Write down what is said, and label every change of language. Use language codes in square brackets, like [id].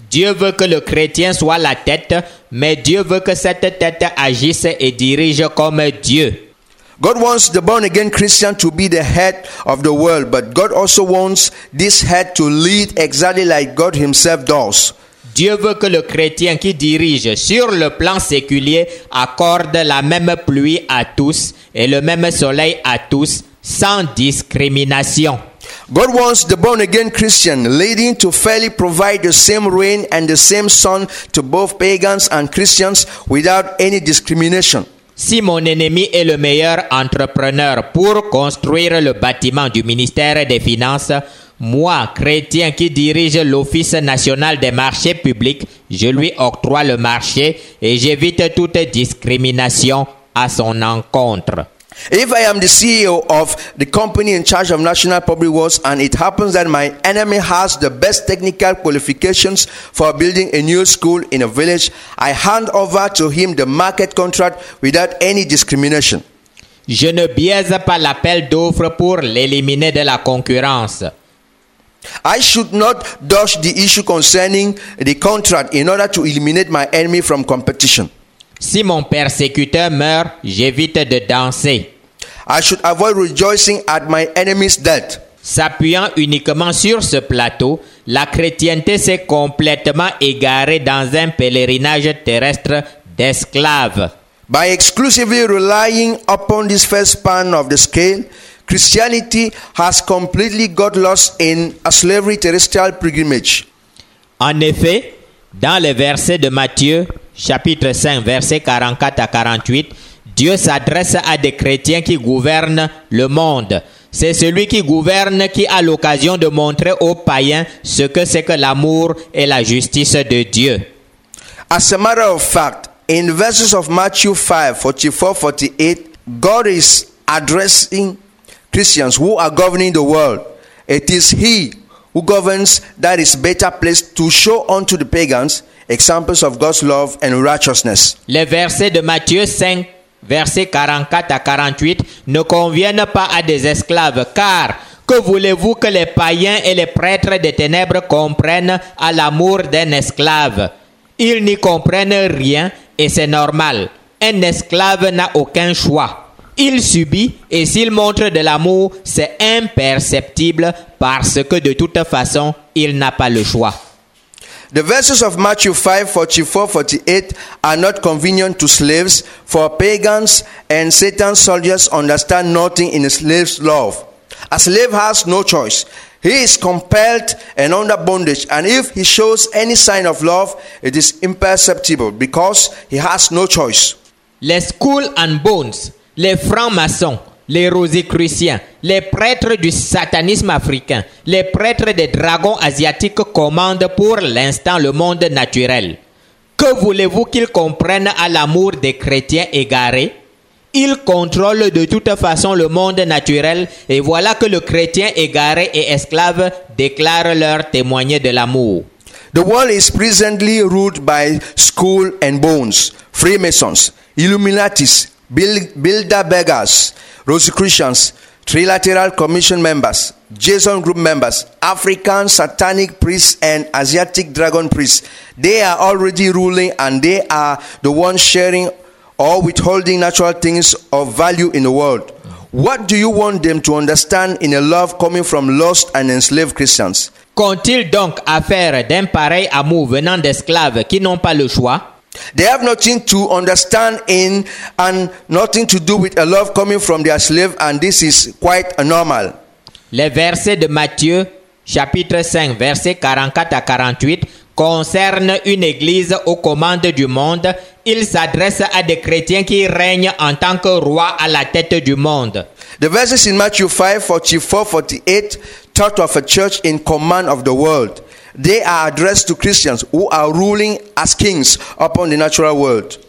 [fr] Dieu veut que le chrétien soit la tête, mais Dieu veut que cette tête agisse et dirige comme Dieu. [en] God wants the born again Christian to be the head of the world, but God also wants this head to lead exactly like God himself does. [fr] Dieu veut que le chrétien qui dirige sur le plan séculier accorde la même pluie à tous et le même soleil à tous. Sans discrimination. [en] God wants the born again Christian leading to fairly provide the same rain and the same sun to both pagans and Christians without any discrimination. [fr] Si mon ennemi est le meilleur entrepreneur pour construire le bâtiment du ministère des Finances, moi, chrétien qui dirige l'Office national des marchés publics, je lui octroie le marché et j'évite toute discrimination à son encontre. [en] If I am the CEO of the company in charge of National Public Works and it happens that my enemy has the best technical qualifications for building a new school in a village, I hand over to him the market contract without any discrimination. [fr] Je ne biaise pas l'appel d'offre pour l'éliminer de la concurrence. [en] I should not dodge the issue concerning the contract in order to eliminate my enemy from competition. [fr] Si mon persécuteur meurt, j'évite de danser. [en] I should avoid rejoicing at my enemy's death. [fr] S'appuyant uniquement sur ce plateau, la chrétienté s'est complètement égarée dans un pèlerinage terrestre d'esclaves. [en] By exclusively relying upon this first span of the scale, Christianity has completely got lost in a slavery terrestrial pilgrimage. [fr] En effet, dans les versets de Matthieu, chapitre 5, versets 44 à 48, Dieu s'adresse à des chrétiens qui gouvernent le monde. C'est celui qui gouverne qui a l'occasion de montrer aux païens ce que c'est que l'amour et la justice de Dieu. [en] As a matter of fact, in verses of Matthew 5, 44, 48, God is addressing Christians who are governing the world. It is He who governs that is better place to show unto the pagans examples of God's love and righteousness. [fr] Les versets de Matthieu 5, versets 44 à 48 ne conviennent pas à des esclaves, car que voulez-vous que les païens et les prêtres des ténèbres comprennent à l'amour d'un esclave? Ils n'y comprennent rien et c'est normal. Un esclave n'a aucun choix. Il subit et s'il montre de l'amour, c'est imperceptible parce que de toute façon, il n'a pas le choix. [en] The verses of Matthew 5, 44, 48 are not convenient to slaves, for pagans and Satan's soldiers understand nothing in a slave's love. A slave has no choice. He is compelled and under bondage, and if he shows any sign of love, it is imperceptible because he has no choice. [fr] Les skulls and bones, les francs-maçons, les rosicruciens, les prêtres du satanisme africain, les prêtres des dragons asiatiques commandent pour l'instant le monde naturel. Que voulez-vous qu'ils comprennent à l'amour des chrétiens égarés? Ils contrôlent de toute façon le monde naturel et voilà que le chrétien égaré et esclave déclare leur témoigner de l'amour. [en] The world is presently ruled by skull and bones, Freemasons, Illuminatis, Bilderbergers, Rosicrucians, Trilateral Commission members, Jason Group members, African Satanic priests and Asiatic Dragon priests. They are already ruling and they are the ones sharing or withholding natural things of value in the world. What do you want them to understand in a love coming from lost and enslaved Christians? [fr] Qu'ont-ils donc à faire d'un pareil amour venant d'esclaves qui n'ont pas le choix? [en] They have nothing to understand in and nothing to do with a love coming from their slave, and this is quite normal. [fr] Les versets de Matthieu, chapitre 5, versets 44 à 48, concernent une église aux commandes du monde. Ils s'adressent à des chrétiens qui règnent en tant que roi à la tête du monde. [en] The verses in Matthew 5, 44, 48 talk of a church in command of the world. They are addressed to Christians who are ruling as kings upon the natural world.